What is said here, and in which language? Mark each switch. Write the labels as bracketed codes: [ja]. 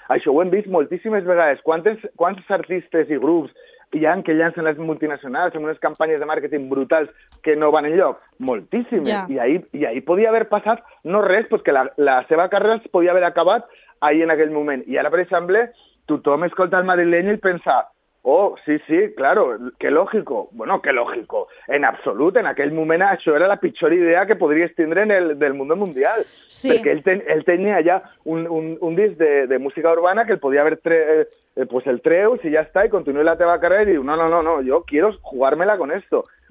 [ca] Això ho hem vist moltíssimes vegades. Quants artistes i grups hi ha que llancen les multinacionals amb unes campanyes de màrqueting brutals que no van enlloc? Moltíssimes. Yeah. I ahir podia haver passat no res, perquè la seva carrera es podia haver acabat ahir en aquell moment. I ara, per exemple, tothom escolta el madrileño i pensa... [es] Oh, sí, sí, claro, qué lógico. Bueno, qué lógico. [ca] En absolut, en aquell moment això era la pitjor idea que podries tindre en el del món mundial. Sí. Perquè ell tenia ja un disc de música urbana que el podia haver pues el treu, si ja està, i continuï la teva carrera, i diu, no, [es] jo quiero jugármela con esto.